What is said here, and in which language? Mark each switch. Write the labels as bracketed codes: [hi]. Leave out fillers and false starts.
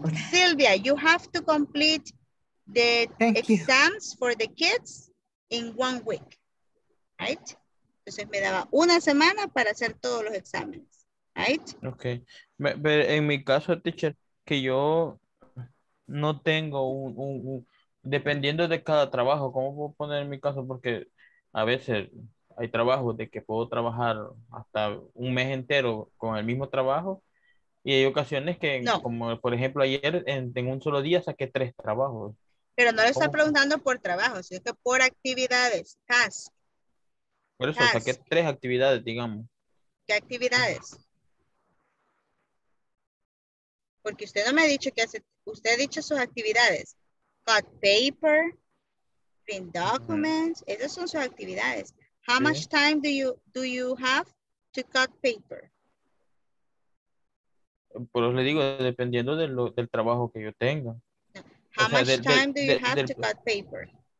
[en] Silvia, you have to complete the exams for the kids in 1 week, right? [es] Entonces me daba una semana para hacer todos los exámenes, [en] right? Okay. [es] Pero en mi caso, [en] teacher, [es] que yo no tengo un dependiendo de cada trabajo, ¿cómo puedo poner en mi caso? Porque a veces hay trabajos de que puedo trabajar hasta un mes entero con el mismo trabajo y hay ocasiones que, no. Como por ejemplo ayer, en un solo día saqué 3 trabajos. Pero no le está preguntando por trabajo, sino que por actividades, [en] task. [es] Por eso [en] task. [es] Saqué 3 actividades, digamos. ¿Qué actividades? Porque usted no me ha dicho que hace, usted ha dicho sus actividades. [en] Cut paper, print documents. Mm-hmm. [es] Esas son sus actividades. [en] How [es] sí. [en] much time do you have to cut paper? [es] Por eso le digo, dependiendo del trabajo que yo tenga. [en] How much time do you have to cut paper?